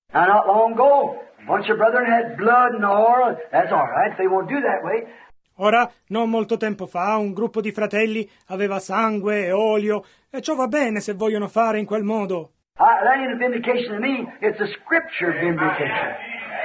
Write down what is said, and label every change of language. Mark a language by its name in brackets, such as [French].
[English] Now, not long ago, a bunch of brethren had blood and oil, that's all right, they won't do that way. [Italian] Ora, non molto tempo fa, un gruppo di fratelli aveva sangue e olio, e ciò va bene se vogliono fare in quel modo. [English] That ain't a vindication to me, it's a scripture vindication.